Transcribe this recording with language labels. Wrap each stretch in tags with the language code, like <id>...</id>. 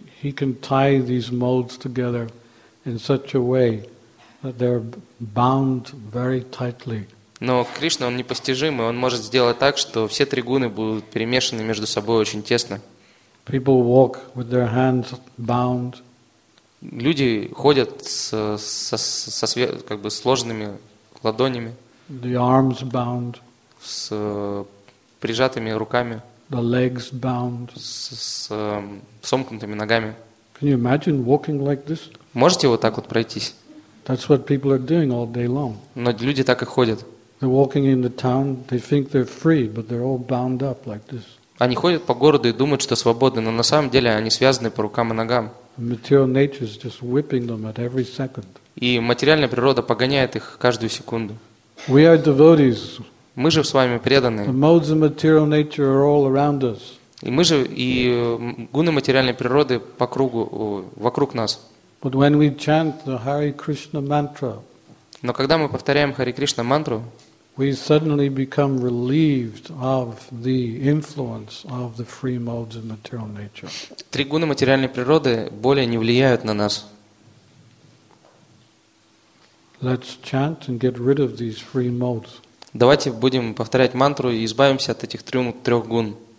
<en>He can tie these molds together in such a way that they're bound very tightly.</en> <ru>Но Кришна, он непостижимый, он может сделать так, что все три гуны будут перемешаны между собой очень тесно.</ru> <en>People walk with their hands bound.</en> <ru>Люди ходят как бы сложенными ладонями.</ru> <en>The arms bound.</en> <ru>С прижатыми руками.</ru> <en>The legs bound.</en> <ru>С сомкнутыми ногами.</ru> <en>Can you imagine walking like this?</en> <ru>Можете вот так вот пройтись?</ru> <en>That's what people are doing all day long.</en> <ru>Но люди так и ходят.</ru> <en>They're walking in the town. They think they're free, but they're all bound up like this.</en> <ru>Они ходят по городу и думают, что свободны, но на самом деле они связаны по рукам и ногам.</ru> <en>Material nature is just whipping them at every second.</en> <ru>И материальная природа погоняет их каждую секунду.</ru> <en>We are devotees.</en> <ru>Мы же с вами преданные.</ru> <en>The modes of material nature are all around us.</en> <ru>И мы же и гуны материальной природы по кругу вокруг нас.</ru> <en>But when we chant the Hare Krishna mantra.</en> <ru>Но когда мы повторяем Хари Кришна мантру,</ru> <en>we suddenly become relieved of the influence of the free modes of material nature.</en> <ru>Три гуны материальной природы более не влияют на нас.</ru> <en>Let's chant and get rid of these free modes.</en> <ru>Давайте будем повторять мантру и избавимся от этих трех гун.</ru>